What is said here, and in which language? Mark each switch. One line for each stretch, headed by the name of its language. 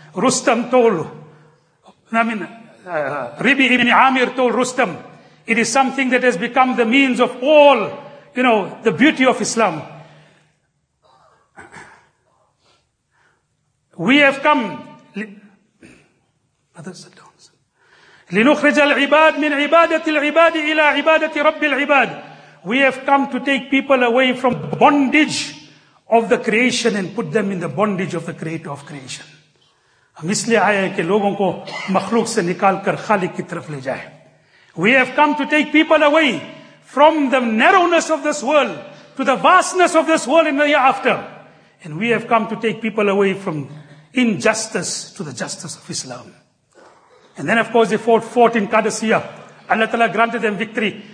English: Rustam told, Rabi ibn Amir told Rustam, "It is something that has become the means of all, you know, the beauty of Islam. We have come, brothers, sit down.
Arabic: لنخرج العباد من عبادة العباد إلى عبادة رب العباد.
English: We have come to take people away from bondage of the creation and put them in the bondage of the creator of creation.
Urdu: ہم اس لیے آئے کہ لوگوں کو مخلوق سے نکال کر خالق کی طرف لے جائے.
English: We have come to take people away from the narrowness of this world to the vastness of this world in the hereafter. And we have come to take people away from injustice to the justice of Islam." And then of course they fought in Qadisiyah. Allah Ta'ala granted them victory.